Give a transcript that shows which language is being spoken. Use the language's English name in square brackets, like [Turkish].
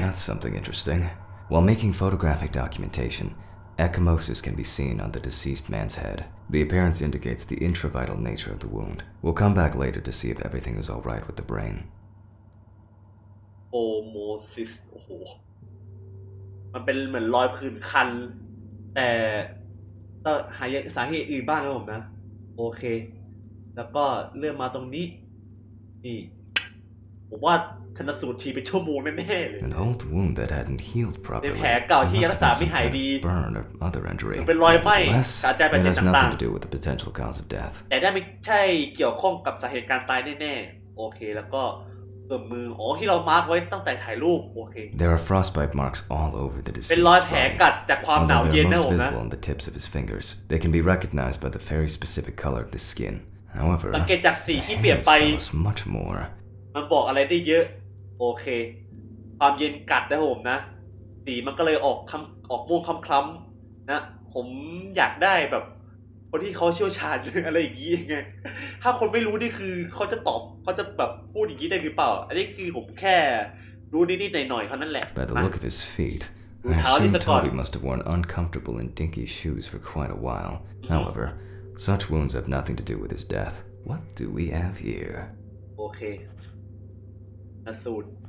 [English] That's something interesting. While making photographic documentation, ecchymosis can be seen on the deceased man's head. The appearance indicates the intravital nature of the wound. We'll come back later to see if everything is all right with the brain. Ecchymosis. [Thai] โอ้โห มันเป็นเหมือนรอยผื่นคันแต่หาสาเหตุอื่นบ้างครับผมนะโอเคแล้วก็เรื่องมาตรงนี้นี่ผมว่าชันสูตรทีเป็นชั่วโมงแน่ๆเลย [English] An old wound that hadn't healed properly. [Thai] ในแผลเก่าที่ยังรักษาไม่หายดีหรือ เป็นรอยไหม้สาเหตุการตายต่างๆ [English] It has nothing to do with the potential cause of death. [Thai] แต่ไม่ใช่เกี่ยวข้องกับสาเหตุการตายแน่ๆโอเคแล้วก็ส่วนมืออ๋อที่เรามาร์กไว้ตั้งแต่ถ่ายรูปโอเค [English] There are frostbite marks all over the deceased. [Thai] เป็นรอยแผลกัดจากความหนาวเย็นนะผมนะ [English] Although they're visible on the tips of his fingers, they can be recognized by the very specific color of the skin. However, [Thai] สังเกตจากสีที่เปลี่ยนไป [English] much more. [Thai] มันบอกอะไรได้เยอะโอเคความเย็นกัดนะผมนะสีมันก็เลยออกม่วงคล้ำๆนะผมอยากได้แบบคนที่เขาเชี่ยวชาญอะไรอย่างงี้ไงถ้าคนไม่รู้นี่คือเขาจะตอบเขาจะแบบพูดอย่างงี้ได้หรือเปล่าอันนี้คือผมแค่รู้นิดๆหน่อยๆเท่านั้นแหละ [English] By the look of his feet I assume Toby must have worn uncomfortable and dinky shoes for quite a while However such wounds have nothing to do with his death What do we have here [Thai] โอเคนะสูต